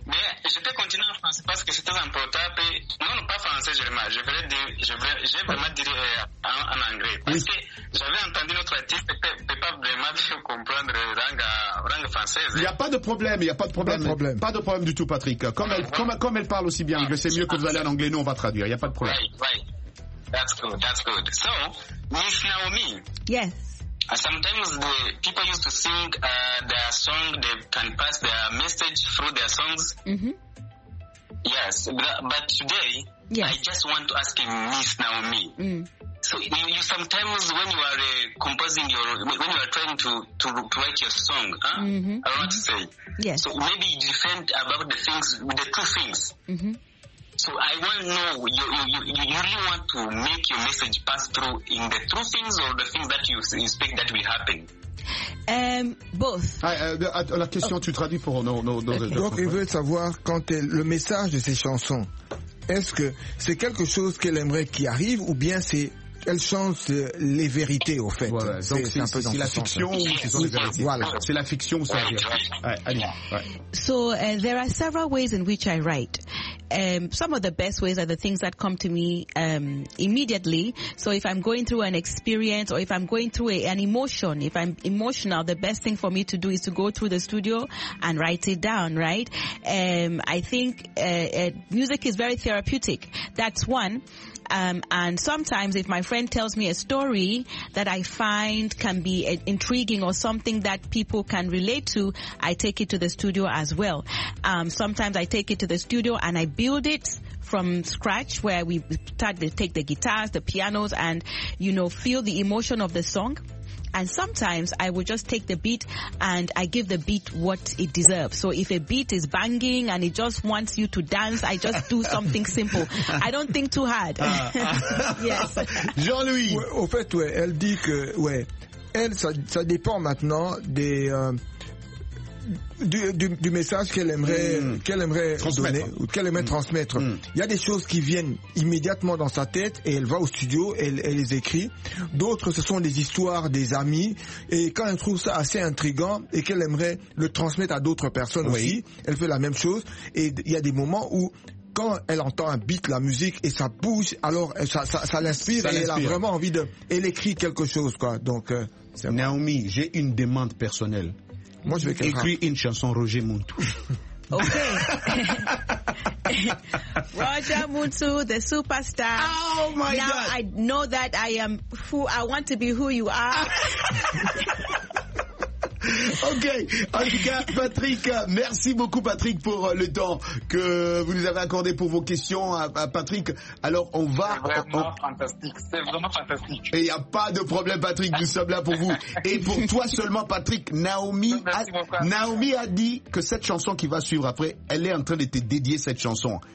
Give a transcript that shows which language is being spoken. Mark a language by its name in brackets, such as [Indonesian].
[French] Mais j'étais continué en français parce que c'était important. Non, pas français, je vais vraiment dire en anglais. Parce que j'avais entendu notre artiste, je ne peux pas vraiment comprendre langue française. Il n'y a pas de problème, Pas de problème du tout, Patrick. Comme elle parle aussi bien anglais, c'est mieux que vous allez en anglais, nous on va traduire, il n'y a pas de problème. [English] That's good. So, Miss Naomi. Yes. Sometimes the people used to sing their song, they can pass their message through their songs. Mm-hmm. Yes. But today, yes. I just want to ask Miss Naomi. Mm. So, you sometimes, when you are composing your, when you are trying to write your song, I want to say. Yes. So, maybe you defend about the things, the two things. Mm-hmm. So I want to know, you really want to make your message pass through in the true things or the things that you expect that will happen? Both. [French] La question, tu traduis pour nous. Donc, il veut savoir quand est le message de ses chansons. Est-ce que c'est quelque chose qu'elle aimerait qui arrive ou bien c'est... Elle chante les vérités, au fait. Voilà. Donc, c'est la fiction ou ce sont les vérités? Voilà. C'est la fiction ou ça vient? [English] So, there are several ways in which I write. Some of the best ways are the things that come to me immediately. So if I'm going through an experience or if I'm going through an emotion, if I'm emotional, the best thing for me to do is to go through the studio and write it down, right? I think music is very therapeutic. That's one. And sometimes if my friend tells me a story that I find can be intriguing or something that people can relate to, I take it to the studio as well. Sometimes I take it to the studio and I build it from scratch, where we start to take the guitars, the pianos, and, you know, feel the emotion of the song. And sometimes I will just take the beat and I give the beat what it deserves. So if a beat is banging and it just wants you to dance, I just do something simple. I don't think too hard. Yes. Jean-Louis. [French] Ouais, au fait, ouais, elle dit que, ouais, elle, ça dépend maintenant des... Du message qu'elle aimerait donner, qu'elle aimerait transmettre. Il y a des choses qui viennent immédiatement dans sa tête et elle va au studio, elle les écrit. D'autres, ce sont des histoires, des amis. Et quand elle trouve ça assez intriguant et qu'elle aimerait le transmettre à d'autres personnes aussi, elle fait la même chose. Et il y a des moments où quand elle entend un beat, la musique, et ça bouge, alors ça l'inspire, et elle a vraiment envie de... Elle écrit quelque chose, quoi. Donc, c'est Naomi, bon. J'ai une demande personnelle. Moi, je vais écrire une chanson Roger Muntu. Ok. [English] Roger Muntu, the superstar. Oh my now God. Now I know that I am who I want to be, who you are. [French] Ok, en tout cas, Patrick, merci beaucoup Patrick pour le temps que vous nous avez accordé pour vos questions à Patrick. Alors on va... C'est vraiment fantastique. Et il n'y a pas de problème Patrick, nous sommes là pour vous. Et pour toi seulement Patrick, Naomi a dit que cette chanson qui va suivre après, elle est en train de te dédier cette chanson.